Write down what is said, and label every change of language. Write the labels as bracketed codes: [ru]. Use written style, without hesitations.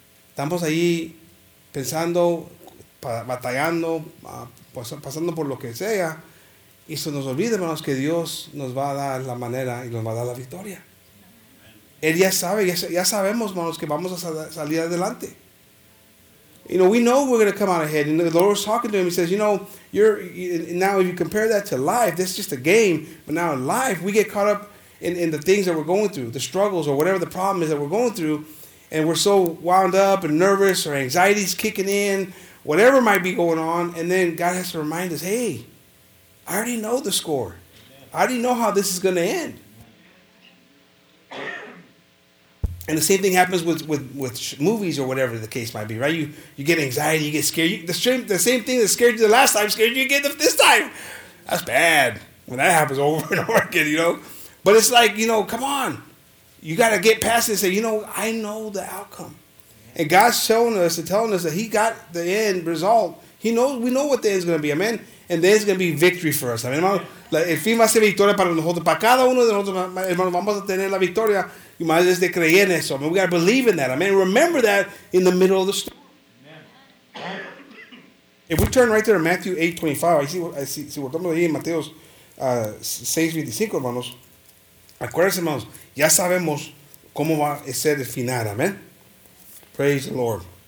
[es] Estamos ahí pensando, batallando, pasando por lo que sea. Y se nos olvida, hermanos, que Dios nos va a dar la manera y nos va a dar la victoria. Él ya sabe, ya sabemos, hermanos, que vamos a salir adelante. [en] You know, we know we're going to come out ahead. And the Lord was talking to him. He says, you know, now if you compare that to life, this is just a game. But now in life, we get caught up in the things that we're going through, the struggles or whatever the problem is that we're going through. And we're so wound up and nervous or anxiety's kicking in, whatever might be going on. And then God has to remind us, hey, I already know the score. I already know how this is going to end. And the same thing happens with movies or whatever the case might be, right? You get anxiety, you get scared. The same thing that scared you the last time scared you again this time. That's bad when that happens over and over again, you know? But it's like, you know, come on. You got to get past it and say, you know, I know the outcome. And God's showing us and telling us that he got the end result. We know what the end is going to be, amen? And the end is going to be victory for us, amen? [es] El fin va a ser victoria para nosotros. Para cada uno de nosotros, hermanos, vamos a tener la victoria. [en] You might just [es] creer en eso. [en] I mean, we got to believe in that. I mean, remember that in the middle of the storm. If we turn right there to Matthew 8:25, [es] si volvemos ahí en Mateo 6:25, hermanos, acuérdense, hermanos, ya sabemos cómo va a ser el final. Amen. [en] Praise the Lord.